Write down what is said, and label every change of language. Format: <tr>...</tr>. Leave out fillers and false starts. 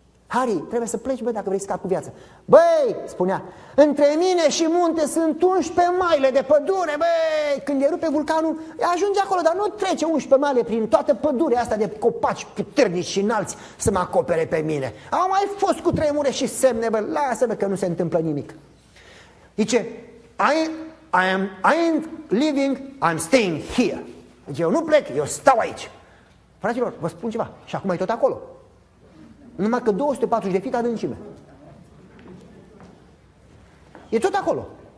<ro>Harry, trebuie să pleci, băi, dacă vrei să scapi cu viață. Băi, spunea, între mine și munte sunt 11 maile de pădure, băi. Când e rupe vulcanul, ajunge acolo, dar nu trece 11 maile prin toată pădurea asta de copaci puternici și înalți să mă acopere pe mine. Au mai fost cu tremure și semne, băi, lasă-mă că nu se întâmplă nimic. Zice,</ro> <en>I ain't living, I'm staying here.</en> <ro>Zice, eu nu plec, eu stau aici. Fraților, vă spun ceva, și acum e tot acolo. Numai că 240 de feet adâncime. E tot acolo.</ro>